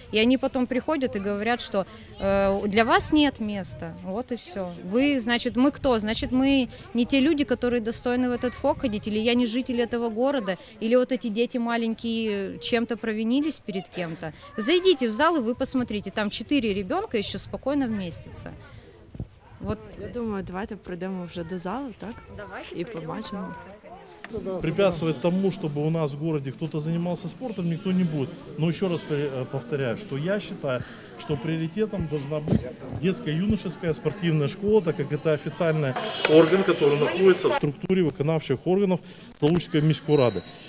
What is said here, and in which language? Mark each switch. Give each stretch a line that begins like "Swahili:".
Russian: И они потом приходят и говорят, что для вас нет места. Вот и все. Вы, значит, мы кто? Значит, мы не те люди, которые достойны в этот ФОК ходить? Или я не житель этого города? Или вот эти дети маленькие чем-то провинились перед кем-то? Зайдите в зал и вы посмотрите. Там 4 ребенка еще спокойно вместятся. Вот. Я думаю,
Ukrainian: давайте пройдемо вже до залу, так? Давайте і побачимо. Зал, так,
Russian: препятствовать тому, чтобы у нас в городе кто-то занимался спортом, никто не будет. Но еще раз повторяю, что я считаю, что приоритетом должна быть детско-юношеская спортивная школа, так как это официальный орган, который находится в структуре выконавших органов Калужской мисской рады.